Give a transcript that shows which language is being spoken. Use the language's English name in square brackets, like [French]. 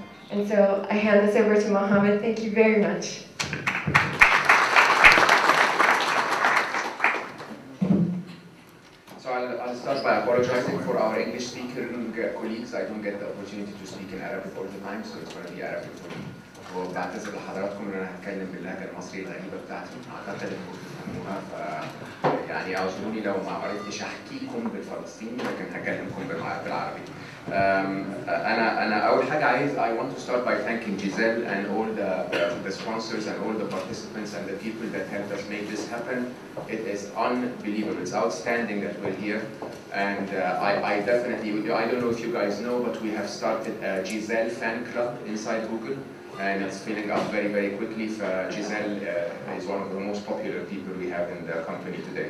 [English] And so I hand this over to Mohammed. Thank you very much. I'll start by apologizing for our English speaking colleagues. I don't get the opportunity to speak in Arabic all the time, so it's going to be Arabic for me. [Arabic] وبعتذر لحضراتكم ان انا هتكلم باللهجه المصريه الغريبه بتاعتي اعتقد انكم تفهموها يعني اعذروني لو ما عرفتش احكيكم بالفلسطيني لكن هكلمكم بالعربي انا اول حاجه عايز [English] I want to start by thanking Giselle and all the sponsors and all the participants and the people that helped us make this happen. It is unbelievable, it's outstanding that we're here. And I definitely, I don't know if you guys know, but we have started a Giselle fan club inside Google. And it's filling up very, very quickly. Giselle is one of the most popular people we have in the company today.